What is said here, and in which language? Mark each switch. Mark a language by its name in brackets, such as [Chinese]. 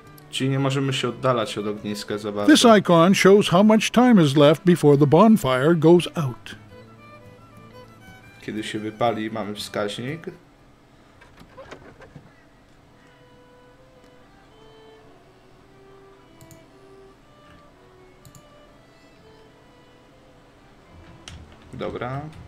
[Polish] Czyli nie możemy się oddalać od ogniska za bardzo. [English] This icon shows how much time is left before the bonfire goes out. [Polish] Kiedy się wypali, mamy wskaźnik. Dobra.